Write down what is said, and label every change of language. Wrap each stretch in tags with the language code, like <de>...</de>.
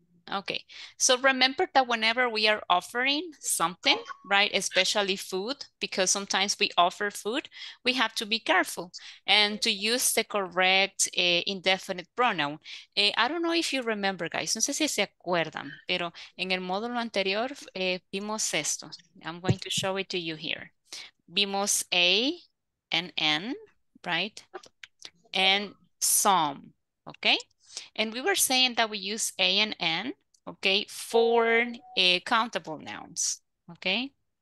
<en>Okay, so remember that whenever we are offering something, right, especially food, because sometimes we offer food, we have to be careful and to use the correct indefinite pronoun. I don't know if you remember, guys.</en> <es>No sé si se acuerdan, pero en el módulo anterior vimos esto.</es> <en>I'm going to show it to you here.</en> <es>Vimos</es> <en>A and N, right? And some, okay? And we were saying that we use A and N, okay, for countable nouns, okay?</en>